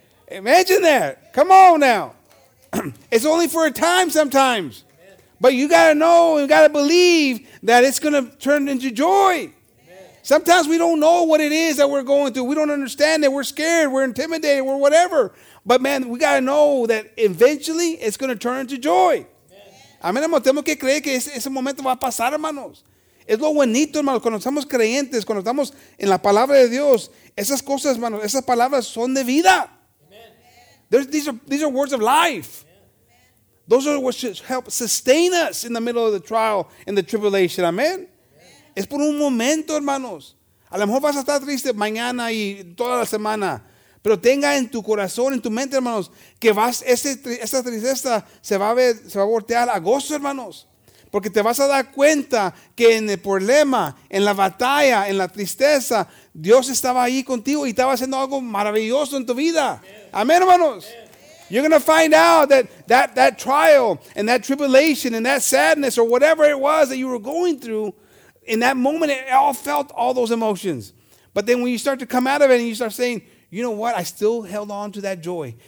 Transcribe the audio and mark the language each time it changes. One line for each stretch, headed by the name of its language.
English: Imagine that. Come on now. It's only for a time sometimes. But you got to know, you got to believe that it's going to turn into joy. Amen. Sometimes we don't know what it is that we're going through. We don't understand it. We're scared. We're intimidated. We're whatever. But man, we got to know that eventually it's going to turn into joy.
Spanish: Amén. Tenemos que creer que ese momento va a pasar, hermanos. Es lo bonito, hermanos. Cuando estamos creyentes, cuando estamos en la palabra de Dios, esas cosas, hermanos, esas palabras son de vida.
English: These are words of life. Those are what should help sustain us in the middle of the trial and the tribulation.
Spanish: Amen. Yeah. Es por un momento, hermanos. A lo mejor vas a estar triste mañana y toda la semana. Pero tenga en tu corazón, en tu mente, hermanos, que vas esa tristeza se va a voltear a gozo, hermanos. Porque te vas a dar cuenta que en el problema, en la batalla, en la tristeza, Dios estaba ahí contigo y estaba haciendo algo maravilloso en tu vida. Yeah. Amén, hermanos. Yeah.
English: You're going to find out that trial and that tribulation and that sadness or whatever it was that you were going through, in that moment, it all felt all those emotions. But then when you start to come out of it and you start saying, you know what? I still held on to that joy.